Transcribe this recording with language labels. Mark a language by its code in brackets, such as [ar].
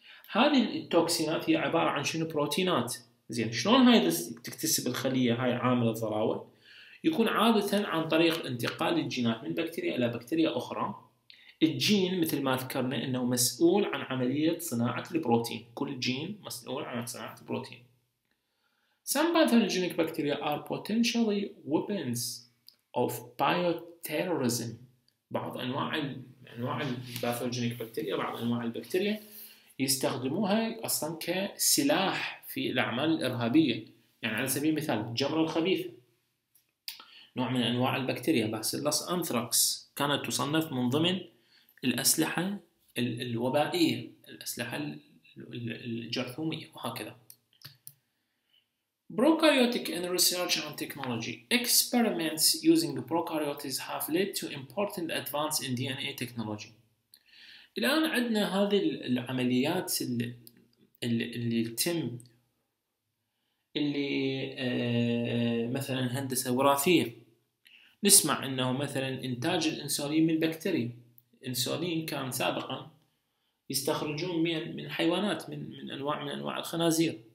[ar] هذه التوكسينات هي عبارة عن شنو بروتينات زين، شلون هاي تكتسب الخلية هاي عامل الضراوة؟ يكون عادة عن طريق انتقال الجينات من بكتيريا إلى بكتيريا أخرى. الجين مثل ما ذكرنا أنه مسؤول عن عملية صناعة البروتين، كل جين مسؤول عن صناعة البروتين. [en] Some pathogenic bacteria are potentially weapons of bioterrorism. [ar] بعض انواع الباثوجينيك بكتيريا، بعض انواع البكتيريا يستخدموها اصلا كسلاح في الاعمال الارهابيه. يعني على سبيل المثال الجمره الخبيثه نوع من انواع البكتيريا، باسيلس انثراكس كانت تصنف من ضمن الاسلحه الوبائيه، الاسلحه الجرثوميه وهكذا. [en] Prokaryotic and research on technology. Experiments using prokaryotes have led to important advance in DNA technology. [ar] الآن عندنا هذه العمليات اللي تتم اللي مثلا هندسة وراثية. نسمع انه مثلا انتاج الانسولين من البكتيريا. الانسولين كان سابقا يستخرجون من حيوانات من انواع الخنازير.